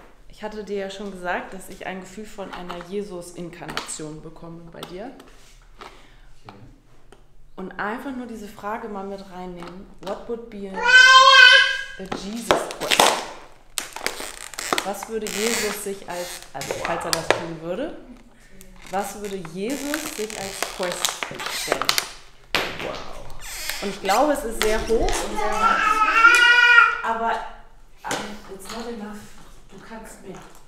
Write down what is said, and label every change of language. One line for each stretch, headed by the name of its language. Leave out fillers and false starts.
German: Ich hatte dir ja schon gesagt, dass ich ein Gefühl von einer Jesus-Inkarnation bekomme bei dir. Und einfach nur diese Frage mal mit reinnehmen.
English: What would be a Jesus question?
German: Was würde Jesus sich als, also falls er das tun würde, was würde Jesus sich als question stellen? Und ich glaube, es ist sehr hoch und sehr hoch. Aber
English: it's not enough.
German: Du kannst mehr.